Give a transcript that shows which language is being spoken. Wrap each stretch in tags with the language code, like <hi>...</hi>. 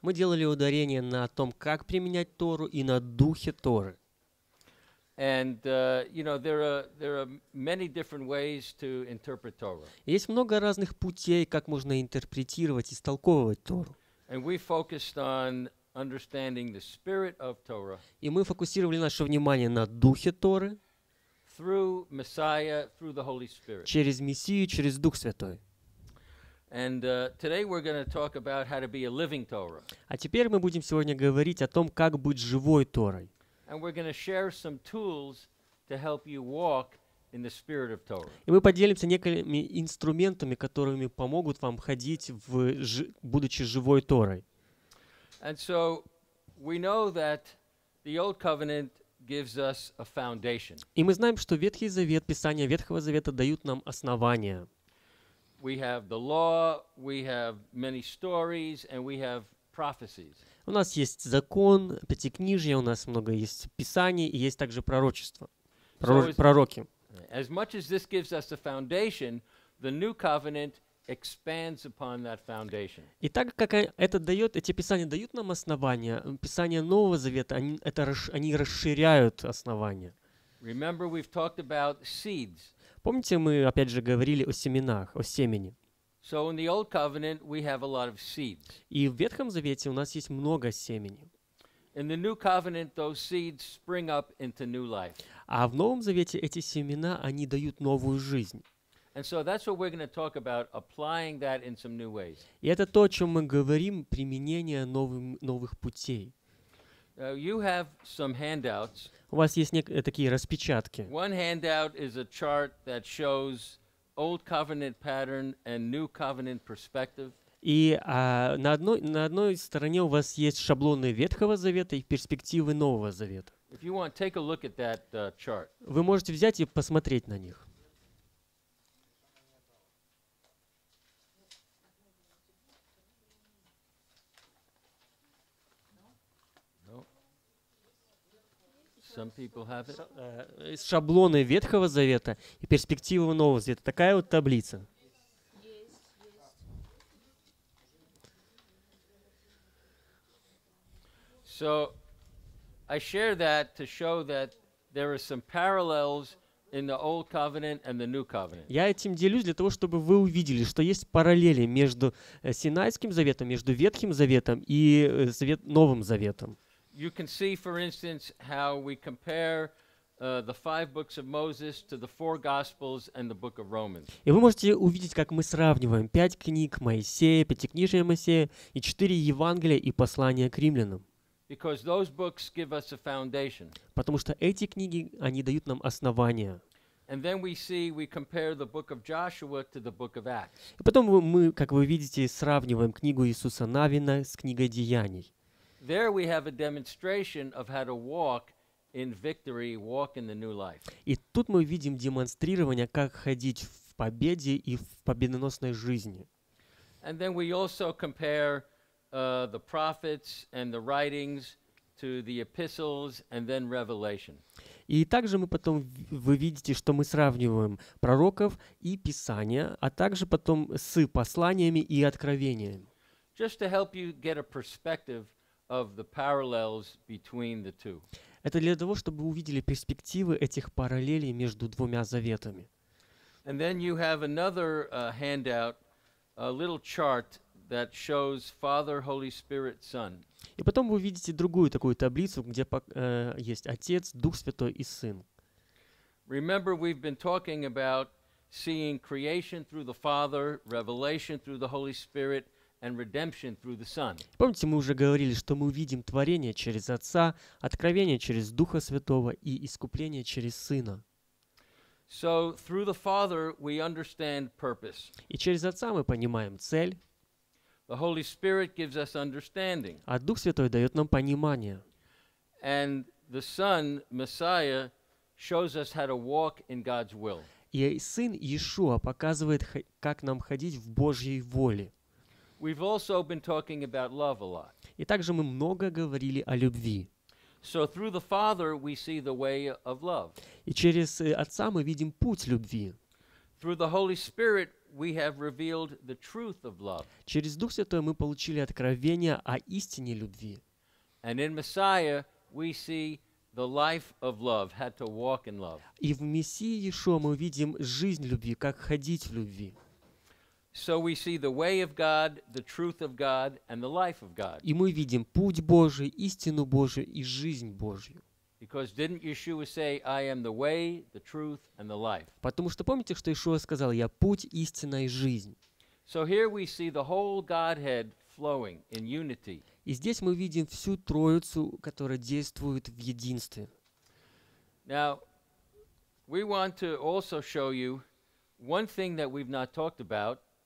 <ru>Мы делали ударение на том, как применять Тору и на духе Торы.</ru> <en>And you know, there are many different ways to interpret Torah.</en> <ru>Есть много разных путей, как можно интерпретировать и истолковывать Тору.</ru> <en>And we focused on understanding the spirit of Torah.</en> <ru>И мы фокусировали наше внимание на духе Торы.</ru> <en>Through Messiah, through the Holy Spirit.</en> <ru>Через Мессию, через Дух Святой.</ru> <en>And today we're going to talk about how to be a living Torah.</en> <ru>А теперь мы будем сегодня говорить о том, как быть живой Торой.</ru> <en>And we're going to share some tools to help you walk in the spirit of Torah.</en> <ru>И мы поделимся некоторыми инструментами, которыми помогут вам ходить в будучи живой Торой.</ru> <en>And so we know that the Old Covenant gives us a foundation.</en> <ru>И мы знаем, что Ветхий Завет, Писание Ветхого Завета дают нам основание.</ru> <en>We have the law, we have many stories, and we have prophecies.</en> <ru>У нас есть закон, пятикнижие, у нас много есть писаний, и есть также пророчества, пророки.</ru> <en>As much as this gives us a foundation, the New Covenant expands upon that foundation.</en> <ru>И так как это дает, эти писания дают нам основания, писания Нового Завета, они расширяют основания.</ru> <en>Remember, we've talked about seeds.</en> <ru>Помните, мы опять же говорили о семенах, о семени.</ru> <en>So in the Old Covenant we have a lot of seeds.</en> <ru>И в Ветхом Завете у нас есть много семени.</ru> <en>In the New Covenant those seeds spring up into new life.</en> <ru>А в Новом Завете эти семена, они дают новую жизнь.</ru> <en>And so that's what we're going to talk about, applying that in some new ways.</en> <ru>И это то, о чем мы говорим, применение новых путей.</ru> <en>You have some handouts.</en> <ru>У вас есть такие распечатки.</ru> <en>One handout is a chart that shows Old Covenant pattern and New Covenant perspective.</en> <ru>И на одной стороне у вас есть шаблоны Ветхого Завета и перспективы Нового Завета.</ru> <en>If you want, take a look at that chart.</en> <ru>Вы можете взять и посмотреть на них.</ru> <en>Some people have it.</en> <ru>Шаблоны Ветхого Завета и перспективы Нового Завета. Такая вот таблица.</ru> <en>So I share that to show that there are some parallels in the Old Covenant and the New Covenant.</en> <ru>Я этим делюсь для того, чтобы вы увидели, что есть параллели между Синайским Заветом, между Ветхим Заветом и Новым Заветом.</ru> <en>You can see, for instance, how we compare the five books of Moses to the four Gospels and the book of Romans.</en> <ru>И вы можете увидеть, как мы сравниваем пять книг Моисея, пятикнижие Моисея и четыре Евангелия и послания к римлянам.</ru> <en>Because those books give us a foundation.</en> <ru>Потому что эти книги, они дают нам основания.</ru> <en>And then we see, we compare the book of Joshua to the book of Acts.</en> <ru>И потом мы, как вы видите, сравниваем книгу Иисуса Навина с книгой Деяний.</ru> <en>There we have a demonstration of how to walk in victory, walk in the new life.</en> <ru>И тут мы видим демонстрирование, как ходить в победе и в победоносной жизни.</ru> <en>And then we also compare the prophets and the writings to the epistles and then Revelation.</en> <ru>И также мы потом, вы видите, что мы сравниваем пророков и Писания, а также потом с посланиями и откровениями.</ru> <en>Just to help you get a perspective of the parallels between the two.</en> <ru>Это для того, чтобы вы увидели перспективы этих параллелей между двумя заветами.</ru> <en>And then you have another handout, a little chart that shows Father, Holy Spirit, Son.</en> <ru>И потом вы видите другую такую таблицу, где есть Отец, Дух Святой и Сын.</ru> <en>Remember, we've been talking about seeing creation through the Father, revelation through the Holy Spirit, and redemption through the Son.</en> <ru>Помните, мы уже говорили, что мы видим творение через Отца, откровение через Духа Святого и искупление через Сына.</ru> <en>So through the Father we understand purpose.</en> <ru>И через Отца мы понимаем цель.</ru> <en>The Holy Spirit gives us understanding.</en> <ru>А Дух Святой дает нам понимание.</ru> <en>And the Son, Messiah, shows us how to walk in God's will.</en> <ru>И Сын Иешуа показывает, как нам ходить в Божьей воле.</ru> <en>We've also been talking about love a lot.</en> <ru>И также мы много говорили о любви.</ru> <en>So through the Father we see the way of love.</en> <ru>И через Отца мы видим путь любви.</ru> <en>Through the Holy Spirit we have revealed the truth of love.</en> <ru>Через Дух Святой мы получили откровение о истине любви.</ru> <en>And in Messiah we see the life of love, how to walk in love.</en> <ru>И в Мессии Иешуа мы видим жизнь любви, как ходить в любви.</ru> <en>So we see the way of God, the truth of God, and the life of God.</en> <ru>И мы видим путь Божий, истину Божию и жизнь Божью.</ru> <en>Because didn't Yeshua say, "I am the way, the truth, and the life"?</en> <ru>Потому что помните, что Иешуа сказал: "Я путь, истина и жизнь"?</ru> <en>So here we see the whole Godhead flowing in unity.</en> <ru>И здесь мы видим всю Троицу, которая действует в единстве.</ru> <en>Now, we want to also show you one thing that we've not talked about.</en>